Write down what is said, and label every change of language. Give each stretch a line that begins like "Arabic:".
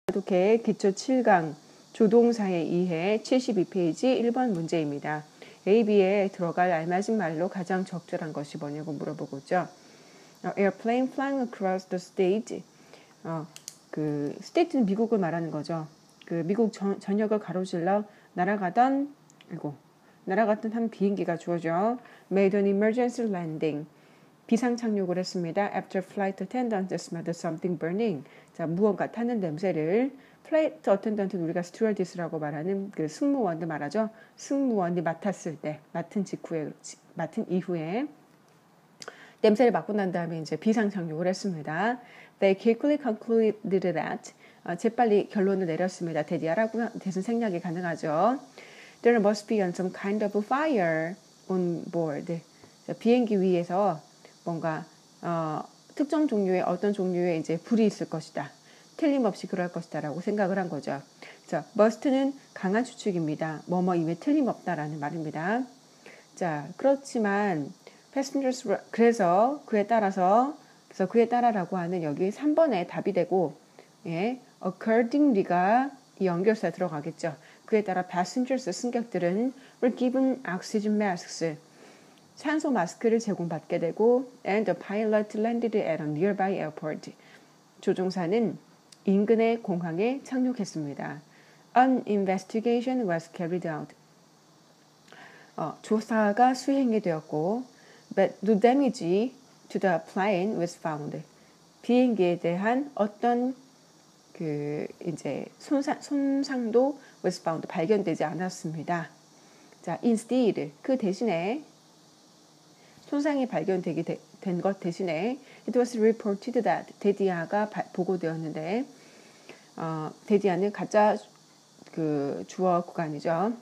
Korean: 독해의 기초 7강 조동사의 이해 72페이지 1번 문제입니다. AB에 들어갈 알맞은 말로 가장 적절한 것이 뭐냐고 물어보고죠.
English: Airplane flying across the state.
Korean: 그 state는 미국을 말하는 거죠. 그 미국 전역을 가로질러 날아가던 그리고 날아갔던 한 비행기가 주어져
English: made an emergency landing.
Korean: 비상 착륙을 했습니다.
English: After flight attendant smelled something burning.
Korean: 자, 무언가 타는 냄새를 flight attendant는 우리가 스튜어디스라고 말하는 그 승무원들 말하죠. 승무원이 맡았을 때 맡은 직후에 맡은 이후에 냄새를 맡고 난 다음에 이제 비상 착륙을 했습니다.
English: They quickly concluded that
Korean: 재빨리 결론을 내렸습니다. 대디아라고 대신 생략이 가능하죠.
English: There must be some kind of fire on board.
Korean: 자, 비행기 위에서 뭔가 특정 종류의 어떤 종류의 이제 불이 있을 것이다. 틀림없이 그럴 것이다 라고 생각을 한 거죠. 자, must는 강한 추측입니다. 뭐뭐 이외 틀림없다라는 말입니다. 자, 그렇지만 passengers 그래서 그에 따라서 그래서 그에 따라라고 하는 여기 3번에 답이 되고 예, accordingly가 이 연결사에 들어가겠죠. 그에 따라
English: passengers
Korean: 승객들은
English: were given oxygen masks
Korean: 산소 마스크를 제공받게 되고
English: and the pilot landed at a nearby airport
Korean: 조종사는 인근의 공항에 착륙했습니다.
English: An investigation was carried out.
Korean: 조사가 수행이 되었고
English: but no damage to the plane was found.
Korean: 비행기에 대한 어떤 그 이제 손상도
English: was found
Korean: 발견되지 않았습니다. 자, instead 그 대신에 손상이 발견되게 된 것 대신에
English: it was reported that
Korean: 데디아가 보고되었는데 데디아는 가짜 그 주어 구간이죠.